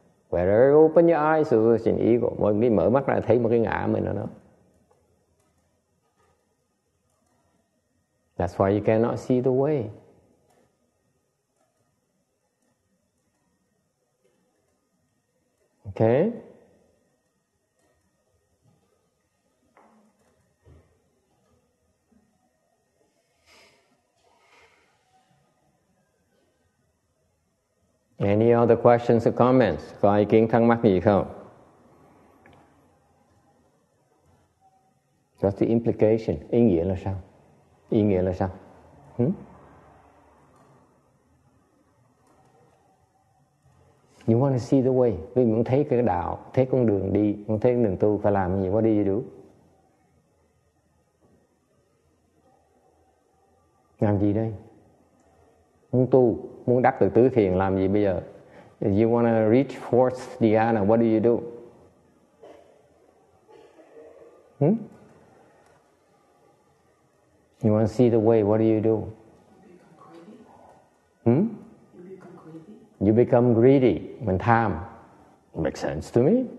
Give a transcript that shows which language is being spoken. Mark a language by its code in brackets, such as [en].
[en] Wherever you open your eyes, there's an ego. [vi] Mọi người mở mắt ra thấy một cái ngã mình ở đó. [en] That's why you cannot see the way. Okay? Any other questions or comments? [vi] Có ý kiến thắc mắc gì không? [en] What's the implication? [vi] Ý nghĩa là sao? Ý nghĩa là sao? [en] You want to see the way. [vi] Vì muốn thấy cái đạo, thấy con đường đi, muốn thấy con đường tu phải làm gì? [en] What do you do? [vi] Làm gì đây? Muốn tu, muốn đắc được tứ thiền làm gì bây giờ? [en] If you want to reach fourth dhyana, what do you do? You want to see the way, what do you do? You become greedy. When tham. Makes sense to me.